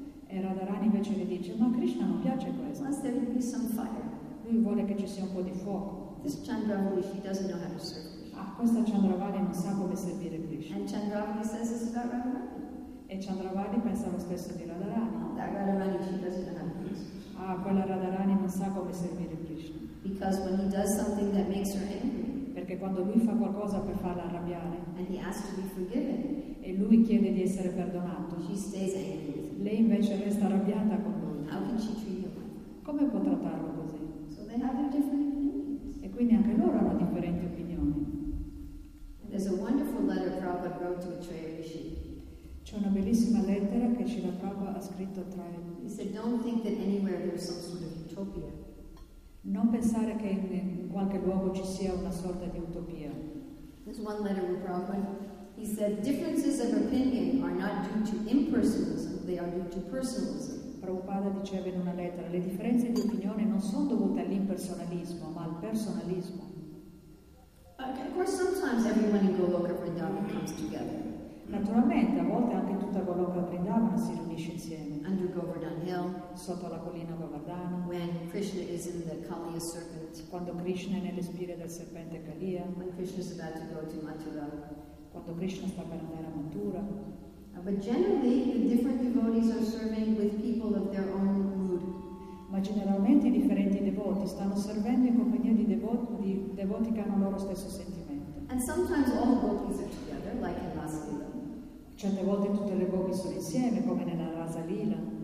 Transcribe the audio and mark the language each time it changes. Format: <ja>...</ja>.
<it>E Radharani invece le dice, "Ma Krishna non piace questo."</it> <en>Must there be some fire?</en> <it>Lui vuole che ci sia un po' di fuoco.</it> <en>This Chandravali, he doesn't know how to serve.</en> <it>Ah, questa Chandravali non sa come servire Krishna.</it> <en>And Chandravali says this about Radharani.</en> <it>E Chandravali pensa lo stesso di Radharani.</it> <en>Oh, that Radharani, she doesn't know how to serve.</en> <it>Ah, quella Radharani non sa come servire Krishna.</it> <en>Because when he does something that makes her angry.</en> <it>Perché quando lui fa qualcosa per farla arrabbiare.</it> <en>And he asks to be forgiven.</en> <it>E lui chiede di essere perdonato.</it> <en>She stays angry.</en> <it>Lei invece resta arrabbiata con lui.</it> <en>How can she treat him?</en> <it>Come può trattarlo così?</it> <en>So they have their different opinions.</en> <it>E quindi anche loro hanno differenti opinioni.</it> <en>And there's a wonderful letter Prabhupada wrote to Atreya Rishi.</en> <it>C'è una bellissima lettera che Srila Prabhupada ha scritto tra i due.</it> <en>He said, don't think that anywhere there's some sort of utopia.</en> <it>Non pensare che in qualche luogo ci sia una sorta di utopia.</it> <en>There's one letter with Prabhupada. He said, differences of opinion are not due to impersonalism, they are due to personalism.</en> <it>Prabhupada diceva in una lettera, le differenze di opinione non sono dovute all'impersonalismo, ma al personalismo.</it> <en>Okay, of course, sometimes everyone in Goloka Vrindavan comes together.</en> <it>Naturalmente, a volte anche tutta Goloka Vrindavana si riunisce insieme.</it> <en>Under Govardhan Hill,</en> <it>sotto la collina Govardhana,</it> <en>when Krishna is in the Kaliya serpent,</en> <it>quando Krishna è nelle spire del serpente Kaliya,</it> <en>when Krishna is about to go to Mathura,</en> <it>quando Krishna sta per andare a Mathura.</it> <en>But generally, the different devotees are serving with people of their own mood.</en> <it>Ma generalmente i differenti devoti stanno servendo in compagnia di devoti che hanno loro stesso sentimento.</it> <en>And sometimes all devotees are together, like in Vasudeva.</en> <it>Certe volte tutte le gopi sono insieme, come nella Rasa Lila.</it>